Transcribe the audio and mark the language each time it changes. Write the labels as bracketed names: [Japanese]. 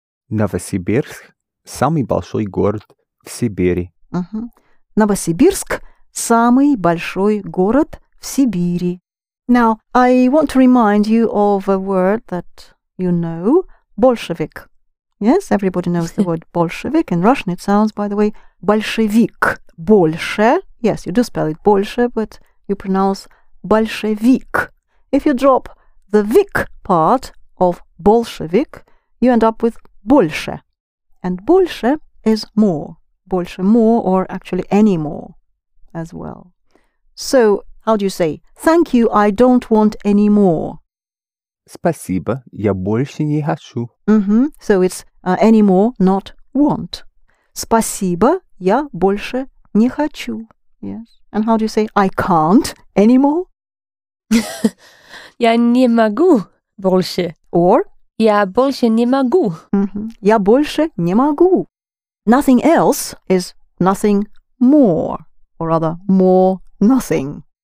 [Russian] Новосибирск – самый большой город в Сибири. Mm-hmm. Новосибирск – самый большой город в Сибири. [English] Now, I want to remind you of a word that you know, Bolshevik. Yes, everybody knows the word Bolshevik. In Russian it sounds, by the way, Bolshevik. Больше. Yes, you do spell it больше, but you pronounce Bolshevik. If you drop the vik part of Bolshevik, you end up with больше. And больше is more. Больше more, or actually any more as well. So, how do you say, thank you, I don't want any more? [Russian] Спасибо, я больше не хочу. [English] Mm-hmm. So it's any more, not want. [Russian] Спасибо, я больше не хочу. [English] Yes. And how do you say, I can't anymore? [Russian] Я не могу больше. [English] Or? [Russian] Я больше не могу. [English] Mm-hmm. [Russian] Я больше не могу. [English] Nothing else is nothing more, or rather, more nothing.